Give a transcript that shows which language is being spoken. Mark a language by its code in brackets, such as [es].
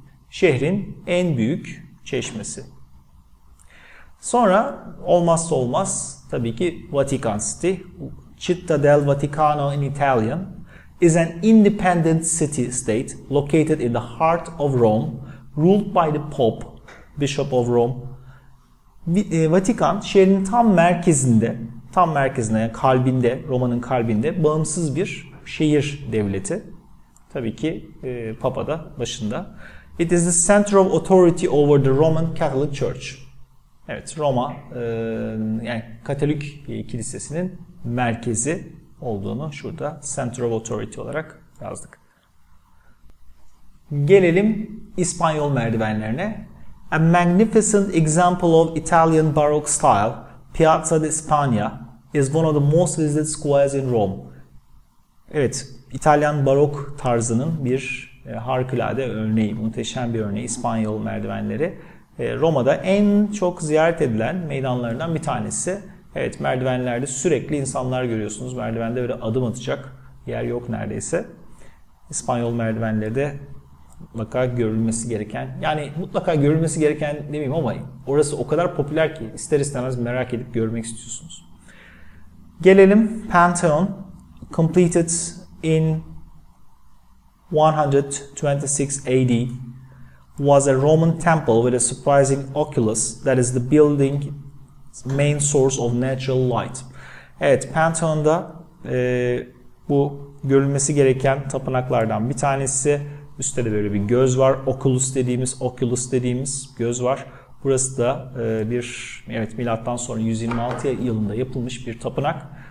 [tr] Şehrin en büyük çeşmesi. Sonra olmazsa olmaz tabii ki Vatican City. Città del Vaticano in Italian. [en] is an independent city-state located in the heart of Rome, ruled by the Pope, Bishop of Rome. [tr] Vatikan şehrin tam merkezinde, tam merkezinde, yani kalbinde, Roma'nın kalbinde bağımsız bir şehir devleti. Tabii ki Papa da başında. [en] It is the center of authority over the Roman Catholic Church. [tr] Evet, Roma, yani Katolik Kilisesi'nin merkezi olduğunu şurada [en] center of authority [tr] olarak yazdık. Gelelim İspanyol merdivenlerine. [en] A magnificent example of Italian Baroque style, Piazza di Spagna is one of the most visited squares in Rome. [tr] Evet, İtalyan Barok tarzının bir harikulade örneği, muhteşem bir örneği İspanyol merdivenleri. Roma'da en çok ziyaret edilen meydanlarından bir tanesi. Evet, merdivenlerde sürekli insanlar görüyorsunuz. Merdivende böyle adım atacak yer yok neredeyse. İspanyol merdivenleri de mutlaka görülmesi gereken, yani mutlaka görülmesi gereken demeyeyim ama orası o kadar popüler ki ister istemez merak edip görmek istiyorsunuz. Gelelim [en] Pantheon, completed in 126 AD, was a Roman temple with a surprising oculus that is the building's main source of natural light. [tr] Evet, Pantheon'da bu görülmesi gereken tapınaklardan bir tanesi. Üstte de böyle bir göz var. Oculus dediğimiz göz var. Burası da bir, evet, milattan sonra 126 yılında yapılmış bir tapınak.